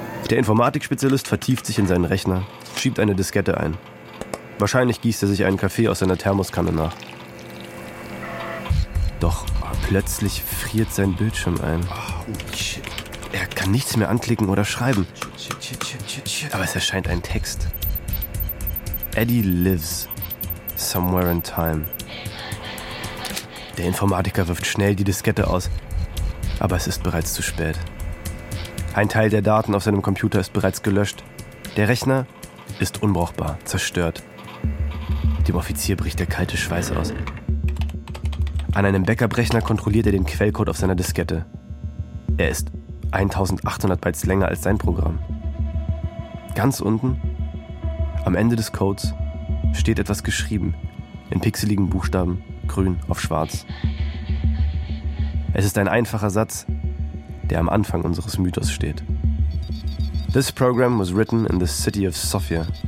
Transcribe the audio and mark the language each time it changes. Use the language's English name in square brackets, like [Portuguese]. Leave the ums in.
[German] Der Informatikspezialist vertieft sich in seinen Rechner, schiebt eine Diskette ein. Wahrscheinlich gießt er sich einen Kaffee aus seiner Thermoskanne nach. Doch plötzlich friert sein Bildschirm ein. [English] Oh, shit, [German] Er kann nichts mehr anklicken oder schreiben. [English] shit, shit, shit, shit, shit. [German] Aber es erscheint ein Text. [English] Eddie lives somewhere in time. [German] Der Informatiker wirft schnell die Diskette aus, aber es ist bereits zu spät. Ein Teil der Daten auf seinem Computer ist bereits gelöscht. Der Rechner ist unbrauchbar, zerstört. Dem Offizier bricht der kalte Schweiß aus. An einem Backup-Rechner kontrolliert er den Quellcode auf seiner Diskette. Er ist 1800 Bytes länger als sein Programm. Ganz unten, am Ende des Codes, steht etwas geschrieben. In pixeligen Buchstaben, grün auf schwarz. Es ist ein einfacher Satz, der am Anfang unseres Mythos steht. [English] This program was written in the city of Sofia.